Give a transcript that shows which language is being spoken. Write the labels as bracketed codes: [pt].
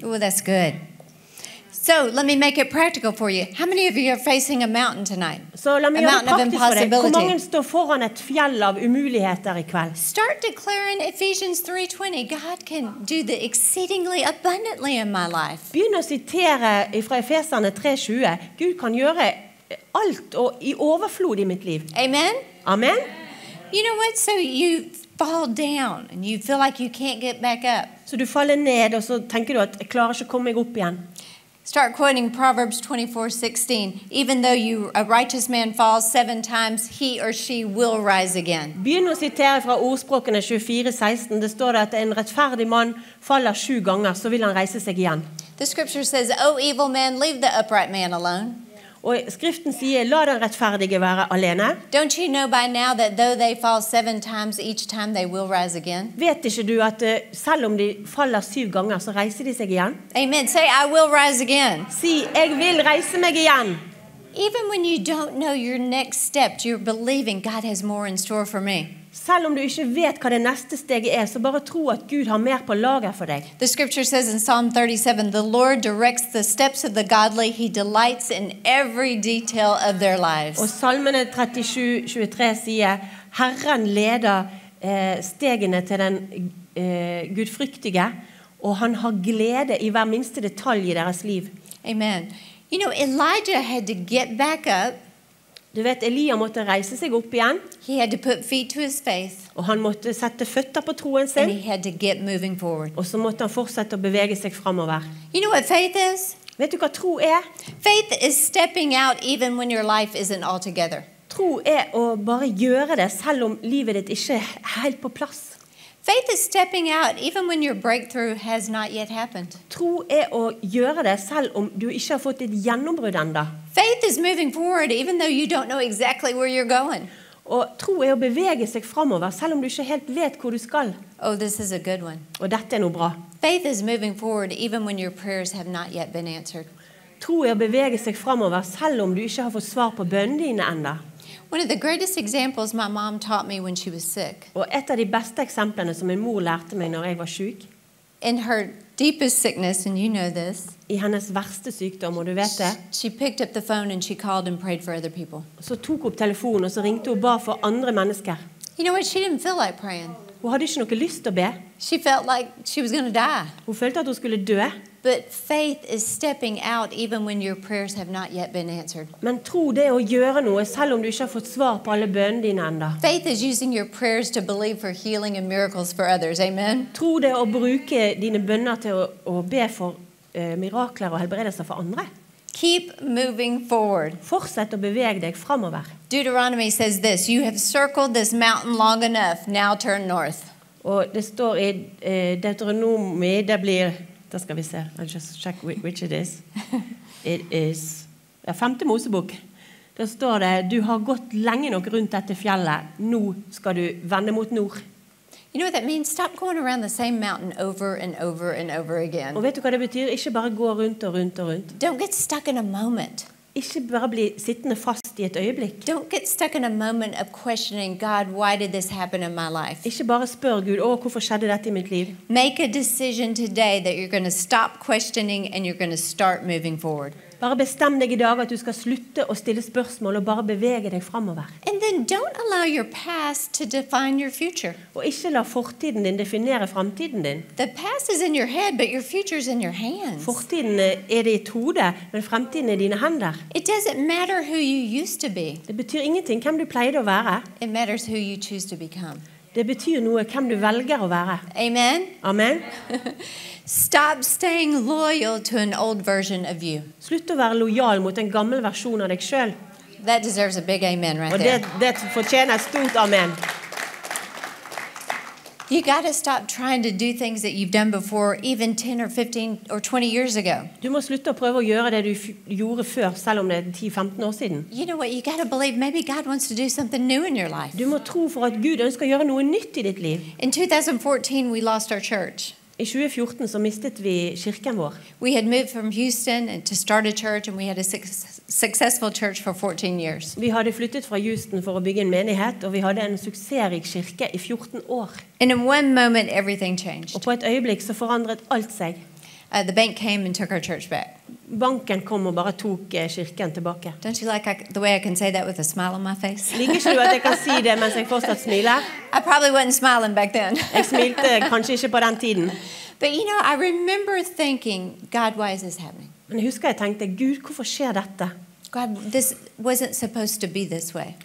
[en] Oh, that's good. So let me make it practical for you. How many of you are facing a mountain tonight? So let me a mountain of impossibility. [no] Hvor mange står foran et fjell av umuligheter I kveld? [en] Start declaring Ephesians 3:20. God can do the exceedingly abundantly in my life. [no] Begynn å sitere fra Efeserne 3:20. Gud kan gjøre alt og I overflod I mitt liv. [en] Amen. Amen. You know what? So you fall down and you feel like you can't get back up. [no] Så du faller ned og så tenker du at jeg klarer ikke å komme meg opp igjen. [en] Start quoting Proverbs 24:16. Even though you, a righteous man falls seven times, he or she will rise again. [no] Begynn å sitere fra ordspråkene 24:16. Det står at en rettferdig mann faller sju ganger, så vil han reise seg igjen. [en] The scripture says, O evil man, leave the upright man alone. [no] Og skriften sier, la den rettferdige være alene. [en] Don't you know by now that though they fall seven times, each time they will rise again? [no] Vet ikke du at selv om de faller syv ganger, så reiser de seg igjen? [en] Amen. Say, I will rise again. [no] Si, jeg vil reise meg igjen. [en] Even when you don't know your next step, you're believing God has more in store for me. [no] Selv om du ikke vet hva det neste steget er, så bare tro at Gud har mer på lager for deg. [en] The scripture says in Psalm 37, the Lord directs the steps of the godly. He delights in every detail of their lives. [no] Og salmene 37:23 sier, Herren leder stegene til den gudfryktige, og han har glede i hver minste detalj i deres liv. [en] Amen. You know, Elijah had to get back up. [no] Du vet, Elia måtte reise seg opp igjen. [en] He had to put feet to his faith. [no] Og han måtte sette føtter på troen sin. [en] And he had to get moving forward. [no] Og så måtte han fortsette å bevege seg fremover. [en] You know what faith is? [no] Vet du hva tro er? [en] Faith is stepping out even when your life isn't all together. [no] Tro er å bare gjøre det selv om livet ditt ikke helt på plass. [en] Faith is stepping out even when your breakthrough has not yet happened. [no] Tro er å gjøre det selv om du ikke har fått et gjennombrudd enda. [en] Faith is moving forward even though you don't know exactly where you're going. [no] Og tro er å bevege seg fremover selv om du ikke helt vet hvor du skal. [en] Oh, this is a good one. [no] Og dette er noe bra. [en] Faith is moving forward even when your prayers have not yet been answered. [no] Tro er å bevege seg fremover selv om du ikke har fått svar på bønnen din enda. [en] One of the greatest examples my mom taught me when she was sick. [no] Og et av de beste eksemplene som min mor lærte meg når jeg var syk. [en] In her deepest sickness, and you know this. [no] I hennes verste sykdom, og du vet det. [en] She picked up the phone and she called and prayed for other people. [no] Så tok opp telefonen og så ringte hun bare for andre mennesker. [en] You know what? She didn't feel like praying. [no] Hun hadde ikke noe lyst til å be. [en] She felt like she was going to die. [no] Hun følte at hun skulle dø. [en] But faith is stepping out even when your prayers have not yet been answered. [no] Men tro det å gjøre noe selv om du ikke har fått svar på alle bønnene dine enda. [en] Faith is using your prayers to believe for healing and miracles for others. Amen. [no] Tro det å bruke dine bønner til å be for mirakler og helbredelser for andre. [en] Keep moving forward. [no] Fortsett å bevege deg fremover. [en] Deuteronomy says this, you have circled this mountain long enough, now turn north. [no] Og det står i Deuteronomy, det blir... Da skal vi se. [en] I'll just check which it is. It is... [no] Ja, femte Mosebok. Da står det, du har gått lenge nok rundt dette fjellet. Nå skal du vende mot nord. [en] You know what that means? Stop going around the same mountain over and over and over again. [no] Og vet du hva det betyr? Ikke bare gå rundt og rundt og rundt. [en] Don't get stuck in a moment. [no] Ikke bare bli sittende fast i et øyeblikk. [en] Don't get stuck in a moment of questioning God, why did this happen in my life? [no] Ikke bare spør Gud, å, hvorfor skjedde dette i mitt liv? [en] Make a decision today that you're going to stop questioning and you're going to start moving forward. [no] Bare bestem deg i dag at du skal slutte å stille spørsmål og bare bevege deg fremover. [en] And then don't allow your past to define your future. [no] Og ikke la fortiden din definere fremtiden din. [en] The past is in your head, but your future is in your hands. [no] Fortiden er ditt hode, men fremtiden er dine hender. [en] It doesn't matter who you used to be. [no] Det betyr ingenting hvem du pleide å være. [en] It matters who you choose to become. [no] Det betyr noe hvem du velger å være. [en] Amen. Amen. Stop staying loyal to an old version of you. [no] Slutt å være lojal mot en gammel versjon av deg selv. [en] That deserves a big amen right there. [no] Og det fortjener stort amen. [en] You got to stop trying to do things that you've done before, even 10 or 15 or 20 years ago. [no] Du må slutte å prøve å gjøre det du gjorde før, selv om det er 10-15 år siden. [en] You know what? You got to believe maybe God wants to do something new in your life. [no] Du må tro for at Gud ønsker å gjøre noe nytt i ditt liv. [en] In 2014, we lost our church. [no] I 2014 så mistet vi kirken vår. [en] We had moved from Houston to start a church and we had a successful church for 14 years. [no] Vi hadde flyttet fra Houston for å bygge en menighet og vi hadde en suksessrik kirke i 14 år. [en] And in one moment everything changed. [no] Og på et øyeblikk så forandret alt seg. [en] The bank came and took our church back. [no] Banken kom og bare tok kirken tilbake. [en] Don't you like the way I can say that with a smile on my face? [no] Liker ikke du at jeg kan si det mens jeg fortsatt smiler? [en] I probably wasn't smiling back then. [no] Jeg smilte kanskje ikke på den tiden. [en] But you know, I remember thinking, God, why is this happening? [no] Men jeg husker jeg tenkte, Gud, hvorfor skjer dette? [en] God, this wasn't supposed to be this way.